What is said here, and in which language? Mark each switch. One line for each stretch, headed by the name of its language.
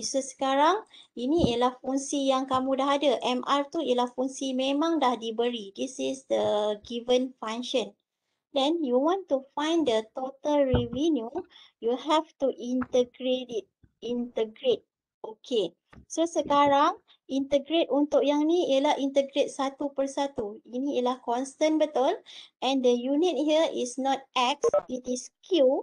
Malay: So, sekarang ini ialah fungsi yang kamu dah ada. MR tu ialah fungsi memang dah diberi.
English: This is the given function. Then you want to find the total revenue. You have to integrate it. Integrate. Okay.
Malay: So, sekarang integrate untuk yang ni ialah integrate satu persatu. Ini ialah constant, betul?
English: And the unit here is not X, it is Q.